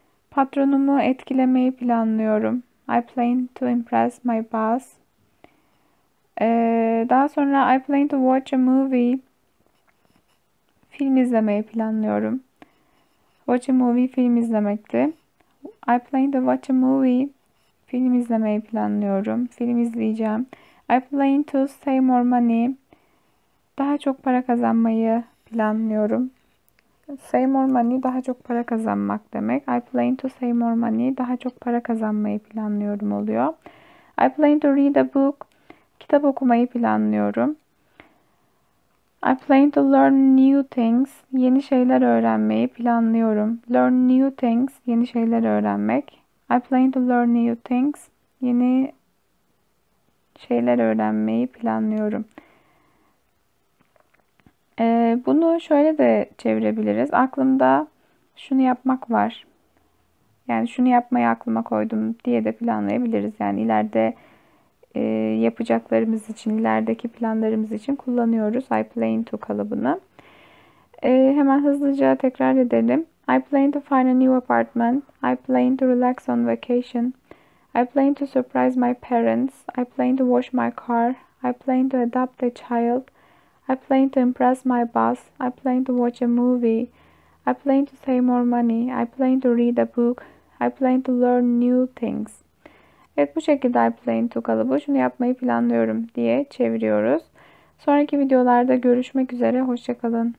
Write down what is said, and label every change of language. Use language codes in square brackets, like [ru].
[tr] Patronumu etkilemeyi planlıyorum. [en] I plan to impress my boss. [tr] Daha sonra [en] I plan to watch a movie. [tr] Film izlemeyi planlıyorum. [en] Watch a movie [tr] film izlemekti. [en] I plan to watch a movie. [tr] Film izlemeyi planlıyorum. Film izleyeceğim. [en] I plan to save more money. [tr] Daha çok para kazanmayı planlıyorum. [en] Save more money [tr] daha çok para kazanmak demek. [en] I plan to save more money [tr] daha çok para kazanmayı planlıyorum oluyor. [en] I plan to read a book. [tr] Kitap okumayı planlıyorum. [en] I plan to learn new things. [tr] Yeni şeyler öğrenmeyi planlıyorum. [en] Learn new things. [tr] Yeni şeyler öğrenmek. [en] I plan to learn new things. [tr] Yeni şeyler öğrenmeyi planlıyorum. Bunu şöyle de çevirebiliriz. Aklımda şunu yapmak var. Yani şunu yapmayı aklıma koydum diye de planlayabiliriz. Yani ileride yapacaklarımız için, ilerideki planlarımız için kullanıyoruz I plan to kalıbını. Hemen hızlıca tekrar edelim. [en] I plan to find a new apartment. I plan to relax on vacation. I plan to surprise my parents. I plan to wash my car. I plan to adopt a child. I plan to impress my boss. I plan to watch a movie. I plan to save more money. I plan to read a book. I plan to learn new things. [tr] Evet, bu şekilde I plan to kalıbı şunu yapmayı planlıyorum diye çeviriyoruz. Sonraki videolarda görüşmek üzere. Hoşça kalın.